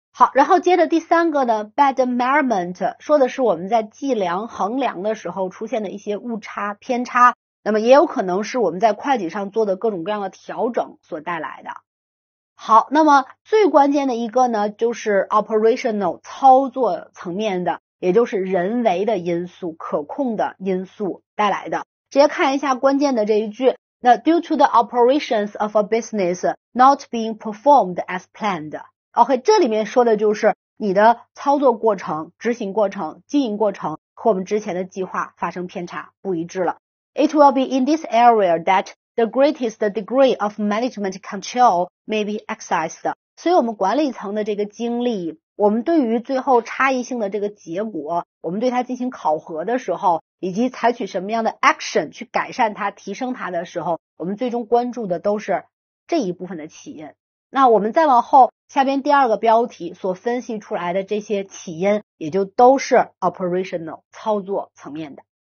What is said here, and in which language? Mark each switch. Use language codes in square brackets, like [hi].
[zh] 好，然后接着第三个呢， bad measurement， 说的是我们在计量衡量的时候出现的一些误差偏差，那么也有可能是我们在会计上做的各种各样的调整所带来的。好，那么最关键的一个呢，就是 operational 操作层面的，也就是人为的因素、可控的因素带来的。直接看一下关键的这一句，那 [en] due to the operations of a business not being performed as planned。 [zh] OK， 这里面说的就是你的操作过程、执行过程、经营过程和我们之前的计划发生偏差，不一致了。 [en] It will be in this area that the greatest degree of management control may be exercised。 [zh] 所以我们管理层的这个精力，我们对于最后差异性的这个结果，我们对它进行考核的时候，以及采取什么样的 action 去改善它、提升它的时候，我们最终关注的都是这一部分的起因。那我们再往后下边第二个标题所分析出来的这些起因，也就都是 operational 操作层面的。